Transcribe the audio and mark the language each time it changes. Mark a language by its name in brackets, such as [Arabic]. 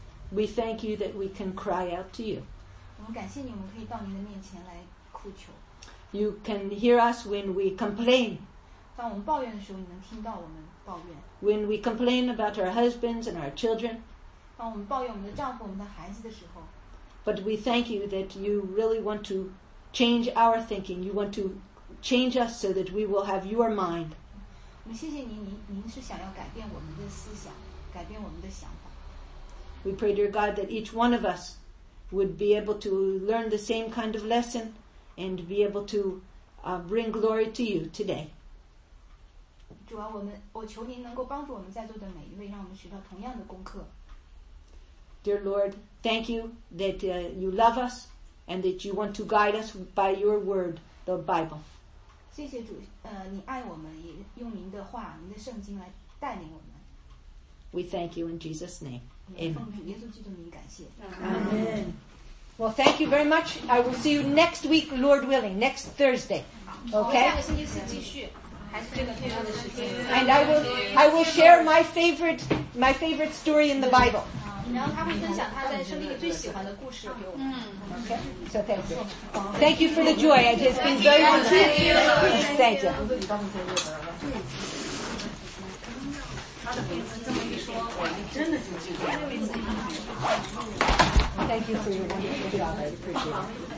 [English] We thank you that we can cry out to you. [Chinese] 我们感谢你，我们可以到您的面前来哭求。 [English] You can hear us when we complain. [Chinese] 当我们抱怨的时候，你能听到我们抱怨。 [English] When we complain about our husbands and our children. [Chinese] 当我们抱怨我们的丈夫、我们的孩子的时候 [English] ，But we thank you that you really want to change our thinking. You want to change us so that we will have your mind. [Chinese] 我们谢谢您，您是想要改变我们的思想，改变我们的想法。 [English] We pray, dear God, that each one of us would be able to learn the same kind of lesson and be able to bring glory to you today. [Chinese] 主啊，我求您能够帮助我们在座的每一位，让我们学到同样的功课。 [English] Dear Lord, thank you that you love us and that you want to guide us by your word, the Bible. [Chinese] 谢谢主，你爱我们，也用您的话，您的圣经来带领我们。 [English] We thank you in Jesus' name. Amen. [Chinese] 奉主耶稣基督的名感谢。 [English] Amen. Well, thank you very much. I will see you next week, Lord willing, next Thursday. Okay? [Chinese] 下个星期四继续。 [English] And I will share my favorite story in the Bible. [Chinese] 然后他会分享他在圣经里最喜欢的故事给我们。嗯 ，OK， [English] So thank you. Thank you for the joy. It has been very wonderful. Thank you. Thank you. [Chinese] 他的评论这么一说，我真的就进步了。 [English] Thank you for your wonderful job. I appreciate it.